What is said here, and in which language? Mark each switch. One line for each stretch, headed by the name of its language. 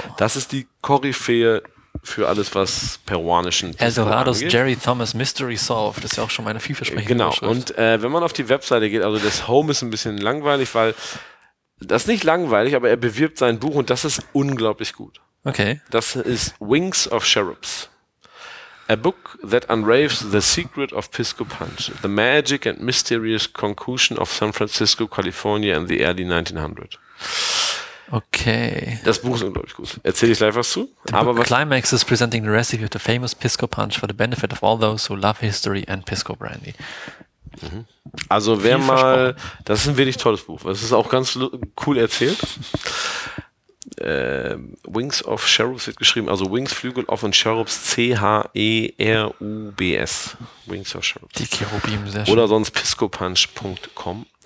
German: Das ist die Koryphäe für alles, was peruanischen Pisco angeht. Eldorados Jerry Thomas Mystery Solved. Das ist ja auch schon meine vielversprechende Genau. Schrift. Und wenn man auf die Webseite geht, also das Home ist ein bisschen langweilig, weil das ist nicht langweilig, aber er bewirbt sein Buch und das ist unglaublich gut. Okay. Das ist Wings of Cherubs.
English: A book that unravels the secret of Pisco Punch. The magic and mysterious concoction of San Francisco, California in the early 1900s.
German: Okay. Das Buch ist unglaublich gut. Erzähle ich gleich was zu. Aber was
English: Climax is presenting the recipe of the famous Pisco Punch for the benefit of all those who love history and Pisco Brandy. Mhm.
German: Also wer Viel mal, das ist ein wirklich tolles Buch. Das ist auch ganz cool erzählt. Wings of Cherubs wird geschrieben, also Wings, Flügel of and Cherubs, C-H-E-R-U-B-S. Wings of Cherubs. Die Cherubim, sehr schön. Oder sonst piscopunch.com.